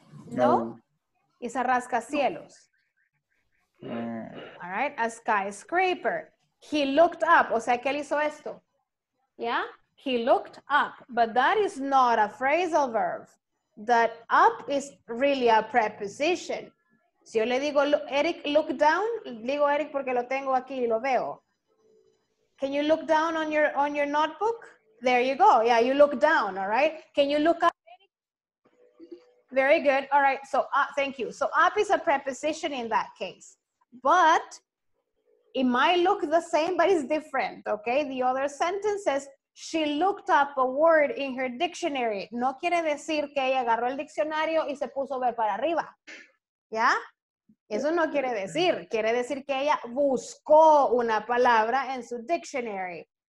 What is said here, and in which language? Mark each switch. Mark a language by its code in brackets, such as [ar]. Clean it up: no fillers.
[en] No? It's a rascacielos. All right, a skyscraper. He looked up. [es] O sea, que él hizo esto. Yeah? [en] He looked up, but that is not a phrasal verb. That up is really a preposition. [es] Si yo le digo, Eric, [en] look down, [es] digo Eric porque lo tengo aquí y lo veo. [en] Can you look down on your notebook? There you go. Yeah, you look down, all right? Can you look up, Eric? Very good. All right, so thank you. So up is a preposition in that case. But it might look the same, but it's different, okay? The other sentence says, she looked up a word in her dictionary. [es] No quiere decir que ella agarró el diccionario y se puso a ver para arriba. ¿Ya? Eso no quiere decir. Quiere decir que ella buscó una palabra en su dictionary.